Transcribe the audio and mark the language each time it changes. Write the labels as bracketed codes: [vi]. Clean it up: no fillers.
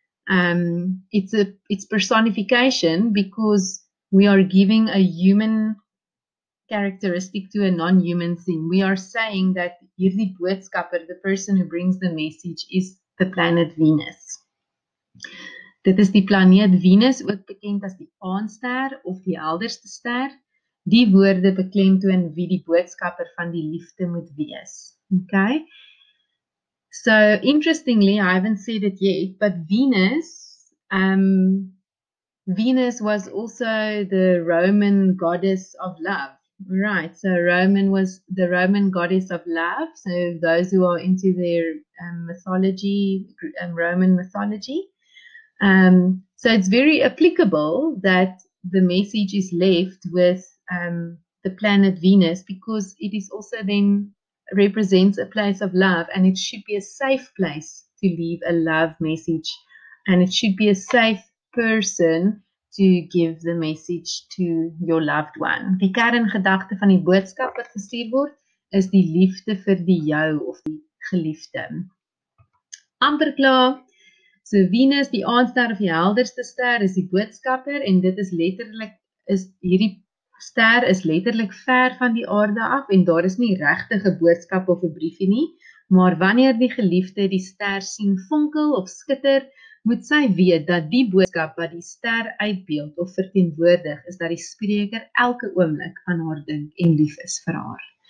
[en] It's personification because we are giving a human characteristic to a non-human thing. We are saying that hierdie boodskapper, the person who brings the message, is the planet Venus. [af] Dit is die planeet Venus, ook bekend as die aanster of die helderste ster. Die woorde beklemtoon wie die boodskapper van die liefde moet wees. Okay? [en] So, interestingly, I haven't said it yet, but Venus was also the Roman goddess of love. Right, so Roman was the Roman goddess of love. So, those who are into their mythology, Roman mythology. So, it's very applicable that the message is left with the planet Venus, because it is also then represents a place of love, and it should be a safe place to leave a love message, and it should be a safe person to give the message to your loved one. [af] Die kerngedagte van die boodskap wat gestuur word is die liefde vir die jou of die geliefde. Amper klaar. So Venus, die aanster of die helderste ster, is die boodskapper, en dit is letterlik, is hierdie ster is letterlik ver van die aarde af, en daar is nie regtig 'n boodskap of 'n briefie nie, maar wanneer die geliefde die ster sien vonkel of skitter, moet sy weet dat die boodskap wat die ster uitbeeld of verteenwoordig, is dat die spreker elke oomblik aan haar dink en lief is vir haar.